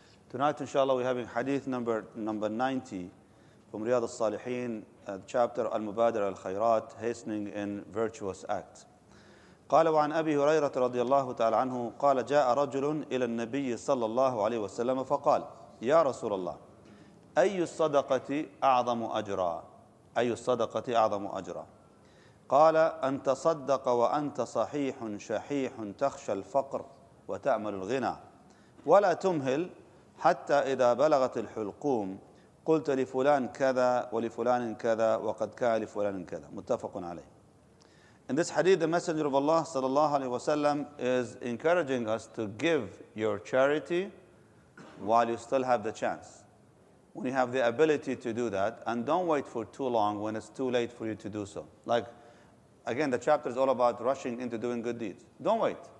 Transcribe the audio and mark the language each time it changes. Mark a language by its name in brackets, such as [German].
[English] Tonight, inshallah, we're having hadith number 90 from Riyad al-Salihin, chapter Al-Mubadir al-Khayrat, Hastening in Virtuous Acts. [Arabic] قال وعن أبي هريرة رضي الله تعالى عنه قال جاء رجل إلى النبي صلى الله عليه وسلم فقال يا رسول الله أي الصدقة أعظم أجرا أي الصدقة أعظم أجرا قال أن تصدق وأنت صحيح شحيح تخشى الفقر وتأمل الغنى ولا تمهل حتى إذا بلغت الحلقوم قلت لفلان كذا ولفلان كذا وقد كان لفلان كذا متفق عليه. [English] In this hadith, the Messenger of Allah sallallahu alaihi wasallam is encouraging us to give your charity while you still have the chance, when you have the ability to do that, and don't wait for too long when it's too late for you to do so. Like, again, the chapter is all about rushing into doing good deeds. Don't wait.